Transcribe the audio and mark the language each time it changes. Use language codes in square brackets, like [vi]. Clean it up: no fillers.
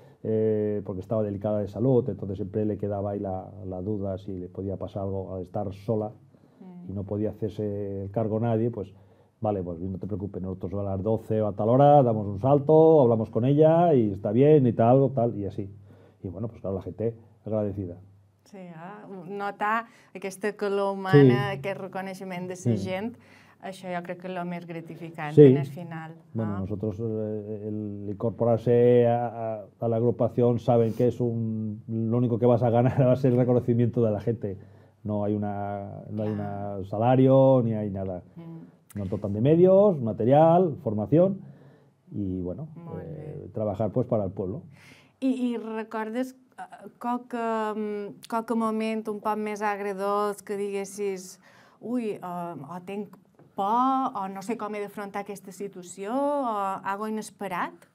[es] Porque estaba delicada de salud, entonces siempre le quedaba ahí la duda si le podía pasar algo al estar sola, sí. Y no podía hacerse el cargo nadie, pues vale, pues no te preocupes, nosotros a las 12 o a tal hora damos un salto, hablamos con ella y está bien y tal, y así. Y bueno, pues claro, la gente agradecida. [ca] Sí, ¿eh? Nota aquesta calor humana, sí. Aquest reconeixement de sa gent. Això jo crec que és el més gratificant, sí. En el final. [es] Sí, bueno, no? Nosotros el incorporarse a la agrupación saben que es lo único que vas a ganar va a ser el reconocimiento de la gente. No hay hay un salario, ni hay nada. Mm. No tocan de medios, material, formación y, bueno, trabajar pues para el pueblo. [ca] I recordes qualque moment un poc més agredós que diguessis ui, tinc o no sé com he d'afrontar aquesta situació, o algo inesperat?